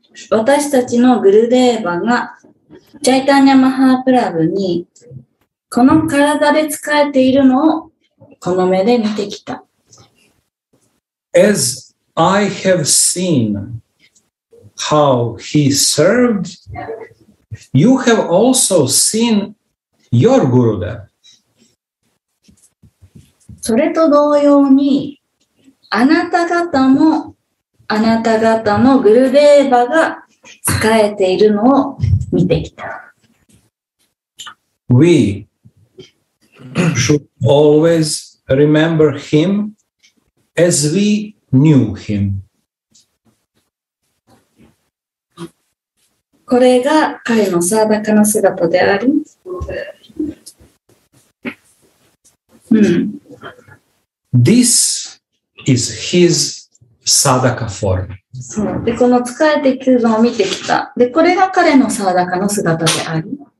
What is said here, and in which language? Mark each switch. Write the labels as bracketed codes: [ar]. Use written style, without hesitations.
[ja] 私たちのグルデーバがチャイタニャマハープラブにこの体で仕えているのをこの目で見てきた。 [en] As I have seen how he served, you have also seen your Gurudev. [ja] それと同様にあなた方もあなた方のグルデーバが仕えているのを見てきた。 [en] We should always remember him as we knew him. [ja] これが彼のサーダカの姿である。 [en] This is his sadaka form. [ja] そう。で、この仕えてくるのを見てきた。で、これが彼のサーダカの姿である。